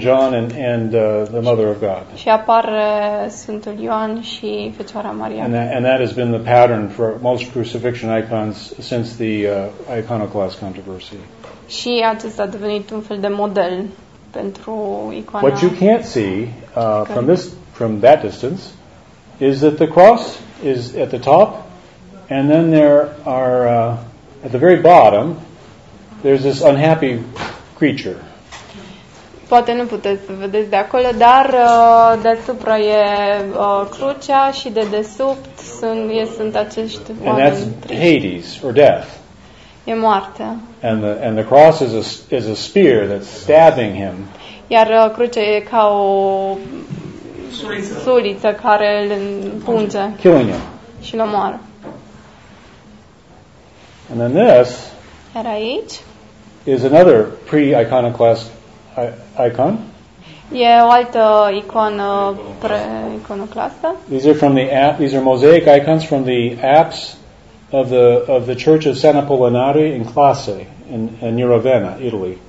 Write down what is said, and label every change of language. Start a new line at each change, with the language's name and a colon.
English: John and the Mother of God.
Romanian: Și apare Sfântul Ioan și Fecioara Maria.
English: And that has been the pattern for most crucifixion icons since the iconoclast controversy.
Romanian: Și acesta a devenit un fel de model pentru icoana.
English: What you can't see from that distance is that the cross is at the top, and then there are at the very bottom there's this unhappy creature.
Romanian: Poate nu puteți să vedeți de acolo, dar deasupra e crucea și de desubt sunt acești oameni.
English: And that's Hades or death.
Romanian: E moartea.
English: And the cross is a spear that's stabbing him.
Romanian: Iar crucea e ca o suliță care îl împunge.
English: Killing him.
Romanian: Și îl omoară.
English: And then this.
Romanian: Iar aici.
English: Is another pre-iconoclast icon.
Romanian: E o altă icoană pre-iconoclastă.
English: These are mosaic icons from the apse of the Church of San Apollinare in Classe in Ravenna, Italy.